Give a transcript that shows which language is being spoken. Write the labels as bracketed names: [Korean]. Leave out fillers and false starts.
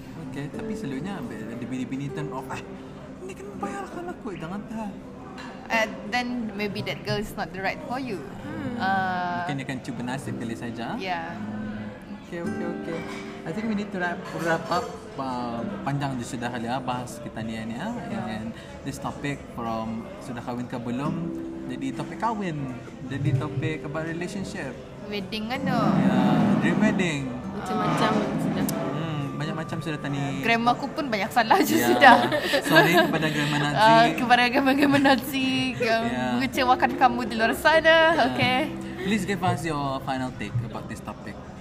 [Malay] Okay, tapi selalunya bini-bini [English] turn off. [Malay] Ini kan bayarkan aku, jangan tak. [English] Then maybe that girl is not the right for you. [Malay] Mungkin dia kan cuba nasib kali saja. [English] Yeah. Okay. I think we need to wrap up. [Malay] Panjang sudah kali bahas kita ni ya. [English] And this topic from [Malay] sudah kahwin ke belum? Jadi topik kahwin. Jadi topik [English] about relationship. [Malay] Wedding kan tu? [English] Yeah, dream wedding. [Malay] Macam-macam sudah. Macam sudah tani. Grammar aku pun banyak salah juga sudah. Sorry kepada grammar Nazi. Mengecewakan kamu di luar sana. [English] Yeah. Okay. Please give us your final take about this topic.